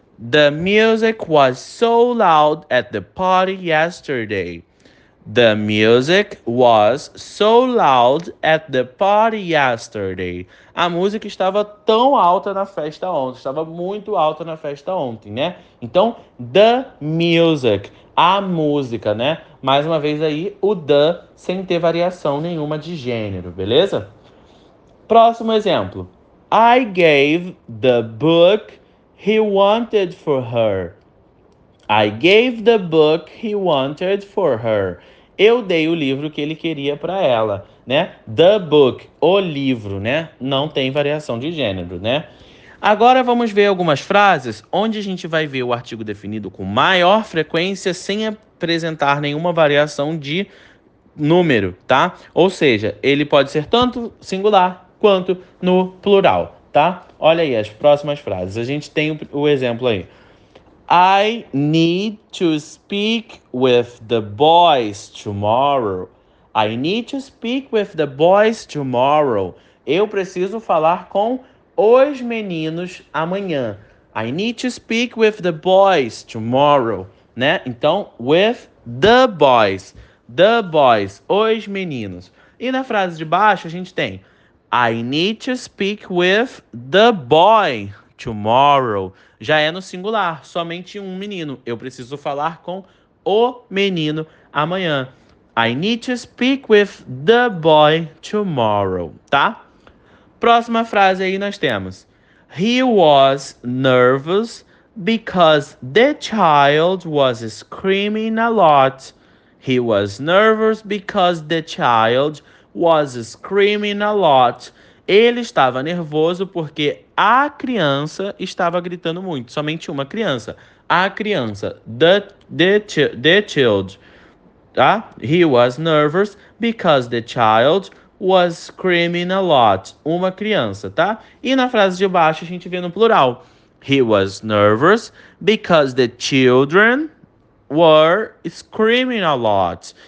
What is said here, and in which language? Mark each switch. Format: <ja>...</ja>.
<en>The music was so loud at the party yesterday. The music was so loud at the party yesterday.</en> <pt>A música estava tão alta na festa ontem. Estava muito alta na festa ontem, né? Então,</pt> <en>the music,</en> <pt>a música, né? Mais uma vez aí, o the sem ter variação nenhuma de gênero, beleza? Próximo exemplo.</pt> <en>I gave the book he wanted for her. I gave the book he wanted for her.</en> <pt>Eu dei o livro que ele queria para ela, né?</pt> <en>The book,</en> <pt>o livro, né? Não tem variação de gênero, né? Agora vamos ver algumas frases onde a gente vai ver o artigo definido com maior frequência sem apresentar nenhuma variação de número, tá? Ou seja, ele pode ser tanto singular quanto no plural, tá? Olha aí as próximas frases. A gente tem o exemplo aí.</pt> <en>I need to speak with the boys tomorrow. I need to speak with the boys tomorrow.</en> <pt>Eu preciso falar com os meninos amanhã.</pt> <en>I need to speak with the boys tomorrow, né?</en> <pt>Então,</pt> <en>with the boys,</en> <pt>os meninos. E na frase de baixo a gente tem</pt> <en>I need to speak with the boy tomorrow.</en> <pt>Já é no singular, somente um menino. Eu preciso falar com o menino amanhã.</pt> <en>I need to speak with the boy tomorrow, tá?</en> <pt>Próxima frase aí nós temos.</pt> <en>He was nervous because the child was screaming a lot. He was nervous because the child was screaming a lot.</en> <pt>Ele estava nervoso porque a criança estava gritando muito. Somente uma criança. A criança.</pt> <en>The child.</en> <pt>Tá?</pt> <en>He was nervous because the child was screaming a lot.</en> <pt>Uma criança, tá? E na frase de baixo a gente vê no plural.</pt> <en>He was nervous because the children were screaming a lot.</en>